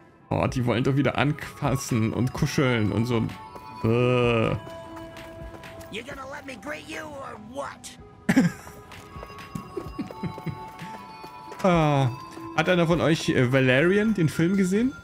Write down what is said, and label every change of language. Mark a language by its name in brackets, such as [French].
[German] Oh, die wollen doch wieder anfassen und kuscheln und so. [English] You're gonna let me greet you or what? [German] Hat einer von euch Valerian den Film gesehen?